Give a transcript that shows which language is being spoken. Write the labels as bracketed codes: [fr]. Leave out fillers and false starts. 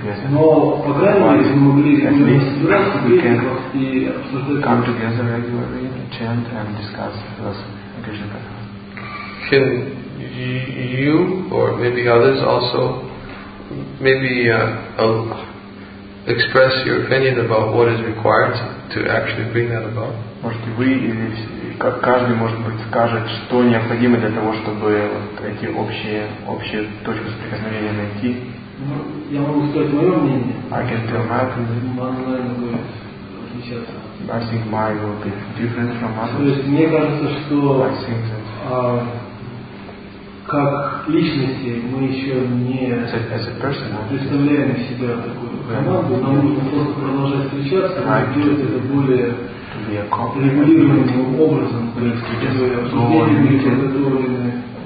[ru] Но, по крайней мере, мы могли собираться в и обсуждать [en] and discuss [ru] философию Кришна Катха. [en] Can you or maybe others also maybe express your opinion about what is required to actually bring that about? [ru] Может, вы или каждый, может быть, скажет, что необходимо для того, чтобы вот эти общие точки соприкосновения найти? Я могу сказать мое мнение. [en] I can tell my opinion. [ru] Отличаться. [en] I think my will be different from others. [ru] То есть мне кажется, что как личности мы еще не представляем из себя такую команду. Нам нужно просто продолжать встречаться и делать это более регулируемым образом, подготовленные.